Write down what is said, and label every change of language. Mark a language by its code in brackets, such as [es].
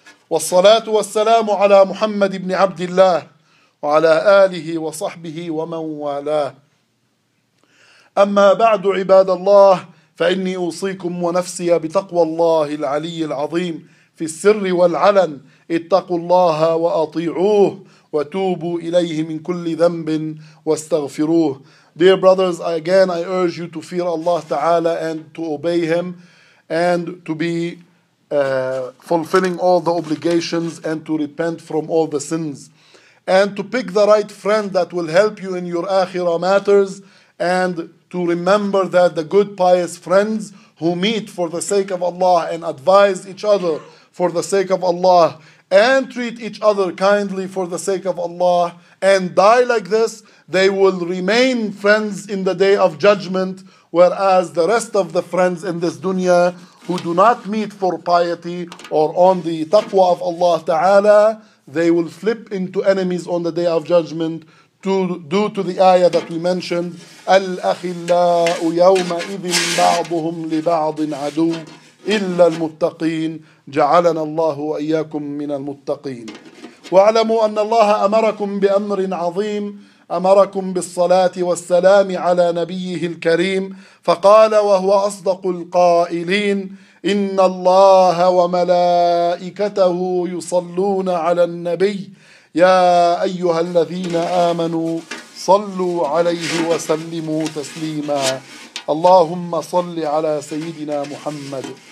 [ar] والصلاة والسلام على محمد بن عبد الله وعلى آله وصحبه ومن والاه. أما بعد عباد الله فإني أوصيكم ونفسي بتقوى الله العلي العظيم في السر والعلن. اتقوا الله وأطيعوه وتوبوا إليه من كل ذنب واستغفروه. [en] Dear brothers, again I urge you to fear Allah Ta'ala and to obey Him and to be fulfilling all the obligations and to repent from all the sins and to pick the right friend that will help you in your akhirah matters and to remember that the good pious friends who meet for the sake of Allah and advise each other for the sake of Allah and treat each other kindly for the sake of Allah and die like this, they will remain friends in the day of judgment, whereas the rest of the friends in this dunya who do not meet for piety or on the taqwa of Allah Ta'ala, they will flip into enemies on the day of judgment. Due to the ayah that we mentioned, [ar] الْأَخِلَّاءُ يَوْمَئِذٍ بَعْضُهُمْ لِبَعْضٍ عَدُوٌّ إِلَّا الْمُتَّقِينَ جَعَلَنَا اللَّهُ وَإِيَّاكُمْ مِنَ الْمُتَّقِينَ. وَاعْلَمُوا أَنَّ اللَّهَ أَمَرَكُمْ بِأَمْرٍ عَظِيمٍ, أَمَرَكُمْ بِالصَّلَاةِ وَالسَّلَامِ عَلَى نَبِيِّهِ الْكَرِيمِ, فَقَالَ وَهُوَ أَصْدَقُ الْقَائِلِينَ إِنَّ اللَّهَ وَمَلَائِكَتَهُ يُصَلُّونَ عَلَى النَّبِيِّ يا أيها الذين آمنوا صلوا عليه وسلموا تسليما. اللهم صل على سيدنا محمد